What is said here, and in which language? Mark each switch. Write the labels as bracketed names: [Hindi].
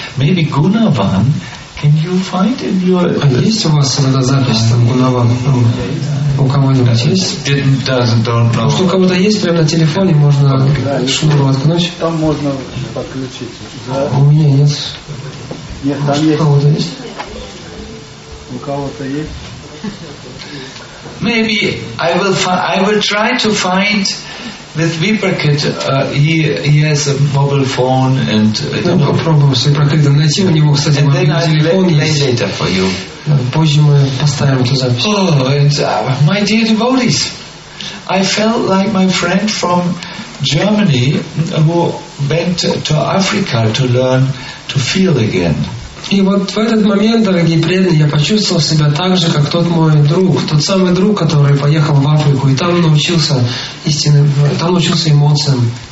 [English] Maybe Gunavan, can you find it? [Russian] Есть у вас эта запись там, Гунаван? У кого-нибудь есть? Что у кого-то есть прямо на телефоне, можно шнур воткнуть? Там можно подключить. У меня нет. Нет, там есть. У кого-то есть? У кого-то есть? [English] Maybe I will try to find with Viprakit. He has a mobile phone and. [Russian] Попробуем с Виприкитом найти у него, кстати, мобильный телефон. [English] Later for you. [Russian] Позже мы поставим эту запись. [English] Oh, and my dear devotees, I felt like my friend from Germany who went to Africa to learn to feel again. [Russian] И вот в этот момент, дорогие преданные, я почувствовал себя так же, как тот мой друг, тот самый друг, который поехал в Африку и там научился истинным, там научился эмоциям.